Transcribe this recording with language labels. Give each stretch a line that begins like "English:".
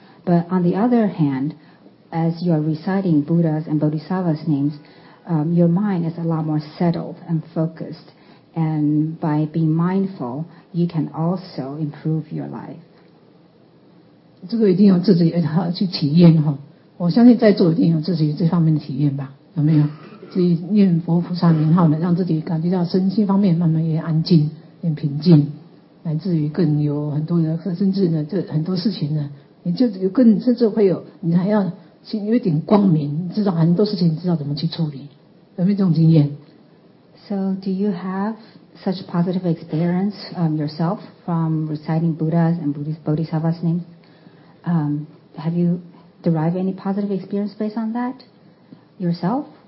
English: But on the other hand, as you are reciting Buddha's and Bodhisattva's names, your mind is a lot more settled and focused. And by being mindful, you can also improve your life.
Chinese: 这个一定要自己去体验哈。我相信在座一定有自己这方面的体验吧？有没有？自己念佛菩萨名号呢，让自己感觉到身心方面慢慢也安静、也平静。乃至于更有很多的，甚至呢，这很多事情呢，你就有更甚至会有，你还要心有一点光明，知道很多事情，知道怎么去处理，有没有这种经验
English: ？So, do you have such positive experience yourself from reciting Buddha's and Bodhisattva's names? Have you derived any positive experience based on that yourself?